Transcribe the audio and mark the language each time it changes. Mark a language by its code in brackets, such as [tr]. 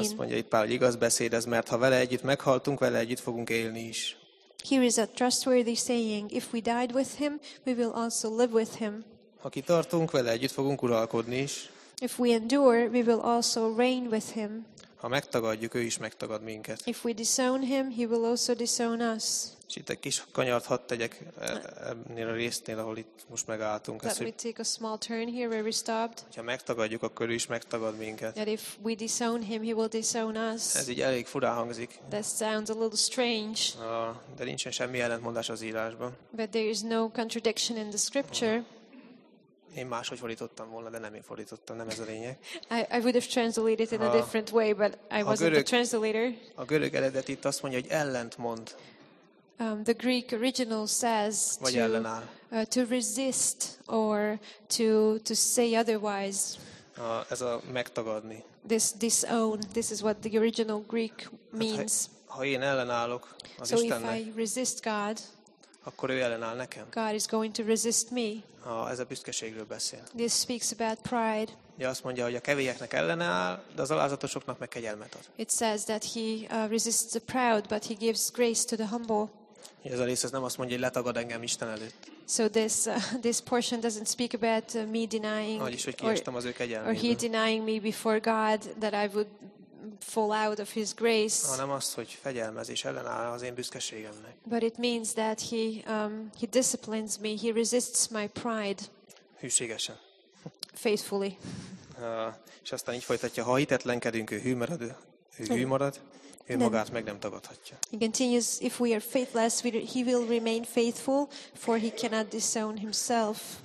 [hu] Azt mondja itt Pál, hogy igaz beszéd ez, mert ha vele együtt meghaltunk, vele együtt fogunk élni is. [en] Here is a trustworthy saying, if we died with him, we will also live with him. [hu] Aki tartunk, vele együtt fogunk uralkodni is. [en] If we endure, we will also reign with him. [hu] Ha megtagadjuk, ő is megtagad minket. [en] If we disown him, he will also disown us. [hu] És itt egy kis kanyart hadd tegyek ennél a résznél, ahol itt most megálltunk. [en] Let me take a small turn here where we stopped. [hu] Ha megtagadjuk, akkor ő is megtagad minket. [en] That if we disown him, he will disown us. [hu] Ez így elég furán hangzik. [en] That sounds a little strange. [hu] De nincsen semmi ellentmondás az írásban. [en] But there is no contradiction in the scripture. [hu] Én máshogy fordítottam volna, de nem én fordítottam, nem ez a lényeg. [en] I would have translated in a different way, but I wasn't the translator. [hu] A görög eredet itt azt mondja, hogy ellentmond. [en] The Greek original says to resist or to say otherwise. [hu] Ez a megtagadni. [en] This disown, this is what the original Greek means. [hu] Ha én ellenállok az [en] so [hu] Istennek. [en] So if I resist God, [hu] akkor ő ellenáll nekem. [en] God is going to resist me. [hu] Ez a büszkeségről beszél. [en] This speaks about pride. [hu] Ja, azt mondja, hogy a kevélyeknek ellenáll, de az alázatosoknak meg kegyelmet ad. [en] It says that he resists the proud, but he gives grace to the humble. [hu] Ez a rész nem azt mondja, hogy letagad engem Isten előtt. [en] So this portion doesn't speak about me denying or he denying me before God that I would fall out of his grace. [hu] Hanem az, hogy fegyelmez és ellenáll az én büszkeségemnek. [en] But it means that he disciplines me, he resists my pride. [hu] Hűségesen. [en] Faithfully. [hu] És aztán így folytatja, ha hitetlenkedünk, ő hű marad, ő magát meg nem tagadhatja. [en] He continues, if we are faithless, he will remain faithful, for he cannot disown himself.